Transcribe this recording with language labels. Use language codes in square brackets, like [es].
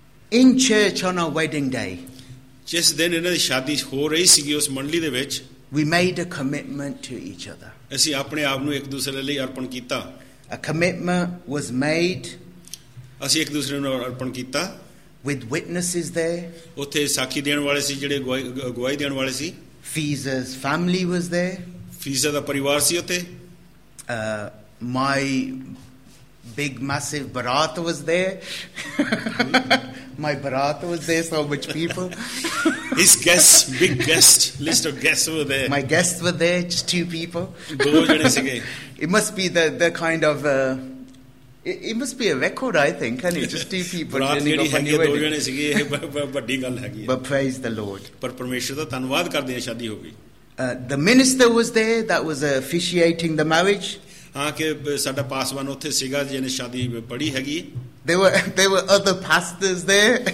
[en] In church on our wedding day, [pa] ਜਿਸ ਦਿਨ ਇਹਨਾਂ ਦੀ ਸ਼ਾਦੀ ਹੋ ਰਹੀ ਸੀਗੀ ਉਸ ਮੰਡਲੀ ਦੇ ਵਿੱਚ, [en] we made a commitment to each other. [pa] ਅਸੀਂ ਆਪਣੇ ਆਪ ਨੂੰ ਇੱਕ ਦੂਸਰੇ ਲਈ ਅਰਪਣ ਕੀਤਾ. [en] A commitment was made. [pa] ਅਸੀਂ ਇੱਕ ਦੂਸਰੇ ਨੂੰ ਅਰਪਣ ਕੀਤਾ. [en] With witnesses there. [pa] ਉੱਥੇ ਸਾਖੀ ਦੇਣ ਵਾਲੇ ਸੀ ਜਿਹੜੇ ਗਵਾਹੀ ਦੇਣ ਵਾਲੇ ਸੀ. [en] Fiza's family was there. [pa] ਫੀਜ਼ਾ ਦਾ ਪਰਿਵਾਰ ਸੀ ਉੱਥੇ. [en] My big massive barat was there. My barat was there, so much people. His guests, big guest list of guests were there. My guests were there, just two people. Do you know what? It must be the kind of it must be a record, I think, isn't it? Just two people standing up on your wedding. Do you know what? It's a big thing. But praise the Lord. But permission to [pa] thankwad kar diya shadi ho gayi. [en] The minister was there that was officiating the marriage. [pa] ਹਾਂ ਕਿ ਸਾਡਾ ਪਾਸਵਾਨ ਉੱਥੇ ਸੀਗਾ ਜਿਹਨੇ ਸ਼ਾਦੀ ਪੜੀ ਹੈਗੀ. [en] There were other pastors there.